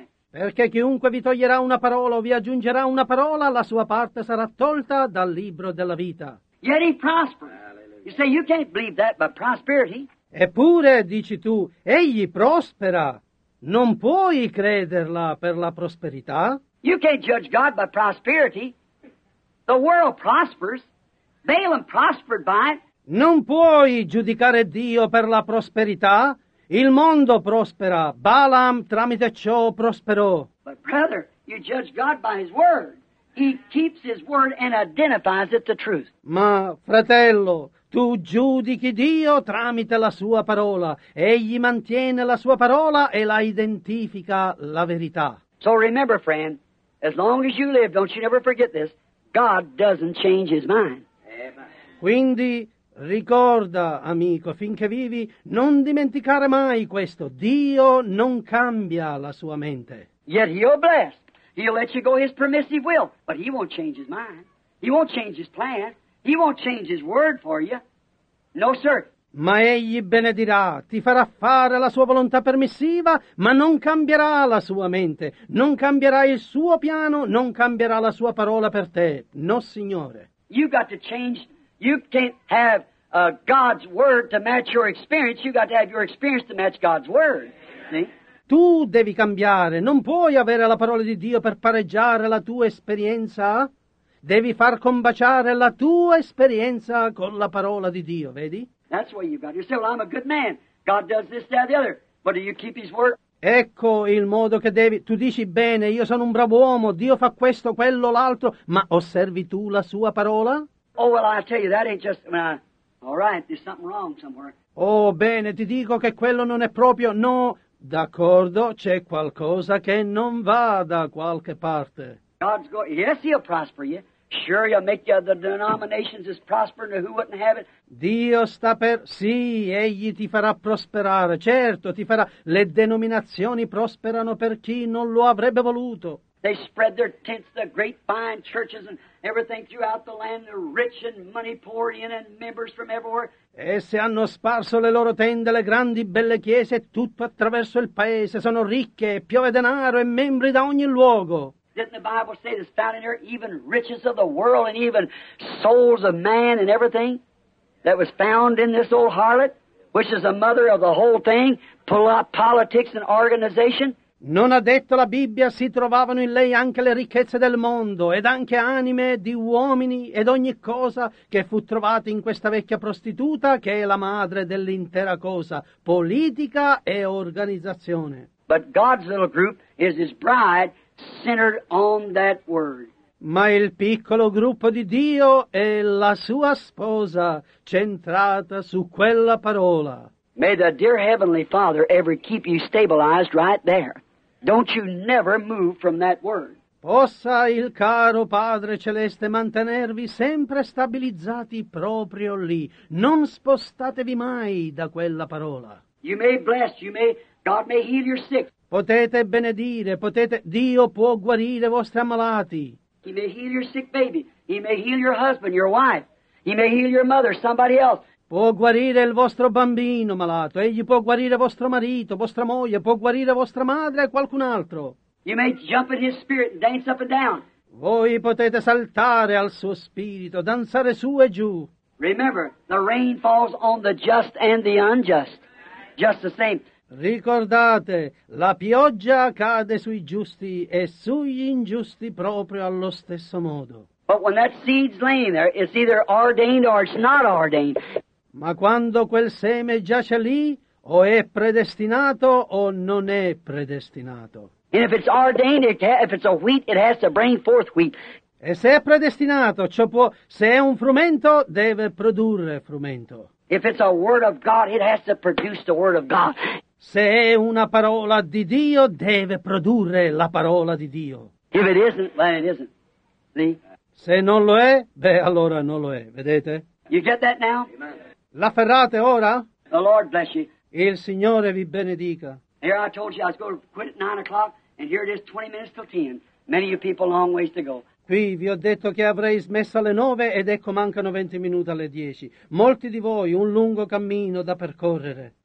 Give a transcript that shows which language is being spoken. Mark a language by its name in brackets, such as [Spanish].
[Italian] Perché chiunque vi toglierà una parola o vi aggiungerà una parola, la sua parte sarà tolta dal libro della vita. [English] Yet he prospers. You say you can't believe that, but prosperity. [Italian] Eppure, dici tu, egli prospera. Non puoi crederla per la prosperità. [English] You can't judge God by prosperity. The world prospers. Balaam prospered by it. [Italian] Non puoi giudicare Dio per la prosperità. Il mondo prospera. Balaam tramite ciò prosperò. [English] But brother, you judge God by his word. He keeps his word and identifies it the truth. [Italian] Ma fratello, tu giudichi Dio tramite la sua parola. Egli mantiene la sua parola e la identifica la verità. [English] So remember, friend, as long as you live, don't you never forget this, God doesn't change his mind. [Italian] Quindi, ricorda, amico, finché vivi, non dimenticare mai questo. Dio non cambia la sua mente. [English] Yet he'll bless. He'll let you go his permissive will. But he won't change his mind. He won't change his plan. He won't change his word for you. No, sir. [Italian] Ma egli benedirà, ti farà fare la sua volontà permissiva, ma non cambierà la sua mente, non cambierà il suo piano, non cambierà la sua parola per te. No, Signore. [English] You got to change. You can't have God's word to match your experience. You got to have your experience to match God's word. See? [Italian] Tu devi cambiare. Non puoi avere la parola di Dio per pareggiare la tua esperienza. Devi far combaciare la tua esperienza con la parola di Dio, vedi? [English] That's why you've got to say, well, I'm a good man. God does this, that, the other. But do you keep his word? [Italian] Ecco il modo che devi. Tu dici bene, io sono un bravo uomo, Dio fa questo, quello, l'altro, ma osservi tu la sua parola? [English] Oh, well, I'll tell you, that ain't just, all right, there's something wrong somewhere. [Italian] Oh, bene, ti dico che quello non è proprio, no, d'accordo, c'è qualcosa che non va da qualche parte. [English] God's going, yes, he'll prosper you. Sure, he'll make you the denominations as prospering, who wouldn't have it? [Italian] Dio sta per, sì, egli ti farà prosperare, certo, ti farà, le denominazioni prosperano per chi non lo avrebbe voluto. [English] They spread their tents, the great fine churches and everything throughout the land, the rich and money pour in and members from everywhere. [Italian] Esse hanno sparso le loro tende, le grandi belle chiese, tutto attraverso il paese, sono ricche, piove denaro e membri da ogni luogo. [English] Didn't the Bible say that's found in there, even riches of the world and even souls of man and everything that was found in this old harlot, which is the mother of the whole thing, politics and organization? [Italian] Non ha detto la Bibbia, si trovavano in lei anche le ricchezze del mondo ed anche anime di uomini ed ogni cosa che fu trovata in questa vecchia prostituta che è la madre dell'intera cosa, politica e organizzazione. [English] But God's little group is his bride, centered on that word. [Italian] Ma il piccolo gruppo di Dio è la sua sposa, centrata su quella parola. [English] May the dear Heavenly Father ever keep you stabilized right there. Don't you never move from that word. [Italian] Possa il caro Padre Celeste mantenervi sempre stabilizzati proprio lì. Non spostatevi mai da quella parola. [English] You may bless, you may, God may heal your sick. [Italian] Potete benedire, potete, Dio può guarire i vostri ammalati. [English] He may heal your sick baby. He may heal your husband, your wife. He may heal your mother, somebody else. [Italian] Può guarire il vostro bambino malato. Egli può guarire vostro marito, vostra moglie, può guarire vostra madre e qualcun altro. [English] You may jump in his spirit and dance up and down. [Italian] Voi potete saltare al suo spirito, danzare su e giù. [English] Remember, the rain falls on the just and the unjust, just the same. [Italian] Ricordate, la pioggia cade sui giusti e sugli ingiusti proprio allo stesso modo. [English] But when that seed's laying there, it's either ordained or it's not ordained. [Italian] Ma quando quel seme giace lì, o è predestinato o non è predestinato. [English] And if it's ordained, if it's a wheat, it has to bring forth wheat. [Italian] E se è predestinato, ciò può, se è un frumento, deve produrre frumento. [English] If it's a word of God, it has to produce the word of God. [Italian] Se è una parola di Dio, deve produrre la parola di Dio. [English] If it isn't, then it isn't. See? [Italian] Se non lo è, beh, allora non lo è. Vedete? [English] You get that now? [Italian] L'afferrate ora? [English] The Lord bless you. [Italian] Il Signore vi benedica. [English] Here I told you I was going to quit at 9 o'clock, and here it is 20 minutes till 10. Many of you people long ways to go. [Italian] Qui vi ho detto che avrei smesso alle 9 ed ecco mancano 20 minuti alle 10. Molti di voi un lungo cammino da percorrere.